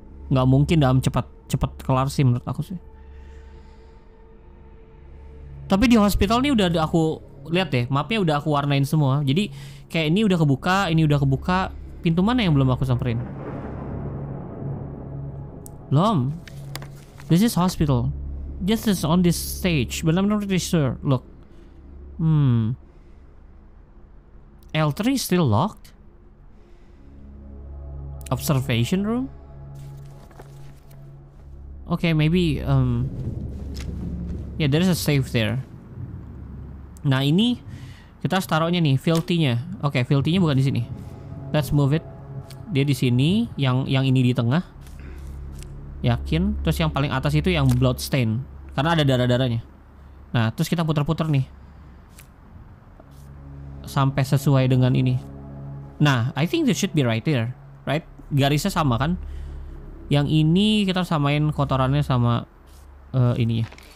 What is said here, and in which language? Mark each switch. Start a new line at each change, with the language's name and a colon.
Indonesian: Gak mungkin dalam cepat kelar sih menurut aku sih. Tapi di hospital nih udah aku lihat deh, mapnya udah aku warnain semua. Jadi kayak ini udah kebuka, ini udah kebuka. Pintu mana yang belum aku samperin?
English: Lom, this is hospital. This is on this stage, but I'm not really sure. Look. L3 is still locked? Observation room? Okay, maybe, yeah, there is a safe there.
Indonesian: Nah, ini kita harus taruhnya nih, filthy-nya. Okay, filthy-nya bukan di sini.
English: Let's move it.
Indonesian: Dia di sini, yang ini di tengah. Yakin, terus yang paling atas itu yang blood stain karena ada darah-darahnya. Nah, terus kita puter-puter nih sampai sesuai dengan ini.
English: Nah, I think this should be right here, right?
Indonesian: Garisnya sama kan? Yang ini kita samain kotorannya sama ininya.